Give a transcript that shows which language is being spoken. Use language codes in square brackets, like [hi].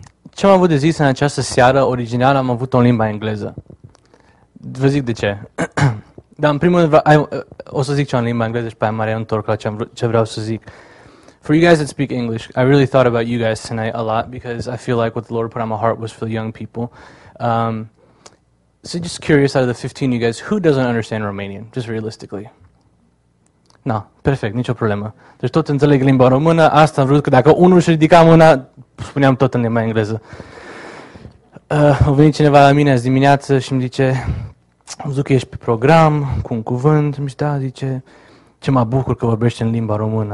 [ro] Ce am avut de zis în această seară, original, am avut o limba engleză. Vă zic de ce. Dar în primul rând, o să zic ceva în limba engleză și pe aia mă reîntorc la ce vreau să zic. [en] For you guys that speak English, I really thought about you guys tonight a lot because I feel like what the Lord put on my heart was for the young people. So just curious, out of the 15 of you guys, who doesn't understand Romanian, just realistically? [ro] No, perfect, nicio problemă. Deci tot înțeleg limba română, asta am vrut, că dacă unul își ridica mâna, spuneam tot în limba engleză. A venit cineva la mine azi dimineață și îmi zice, am văzut că ești pe program, cu un cuvânt, îmi zice, da, zice, ce mă bucur că vorbești în limba română.